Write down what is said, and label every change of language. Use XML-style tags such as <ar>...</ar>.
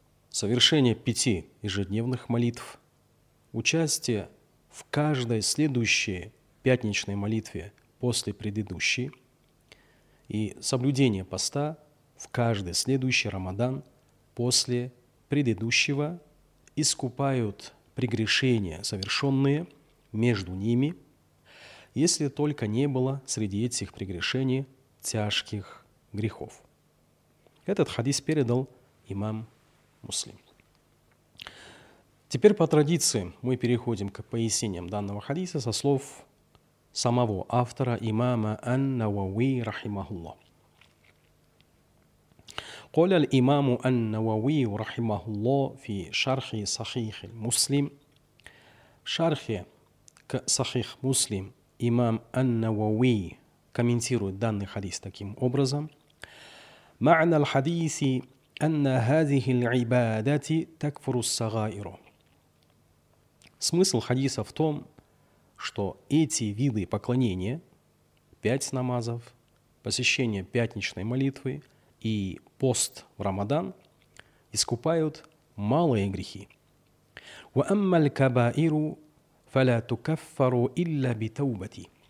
<ru>Совершение 5 ежедневных молитв, участие в каждой следующей пятничной молитве после предыдущей и соблюдение поста в каждый следующий Рамадан после предыдущего искупают прегрешения, совершенные между ними, если только не было среди этих прегрешений тяжких грехов. Этот хадис передал имам Муслим. Теперь по традиции мы переходим к пояснениям данного хадиса со слов самого автора, имама Ан-Науи, рахимахулла.</ru> <ar>قال الإمام النووي رحمه الله في شرح صحيح المسلم شرح صحيح مسلم إمام النووي</ar> <ru>комментирует данный хадис таким образом:</ru> <ar>معنى الحديث أن هذه العبادة تكفر الصغائر.</ar> <ru>Смысл хадиса в том, что эти виды поклонения, пять намазов, посещение пятничной молитвы и пост в Рамадан, искупают малые грехи.</ru> <ar>وَأَمَّا الْكَبَائِرُ فَلَا تُكَفَّرُ إِلَّا بِتَوْبَةِ.</ar>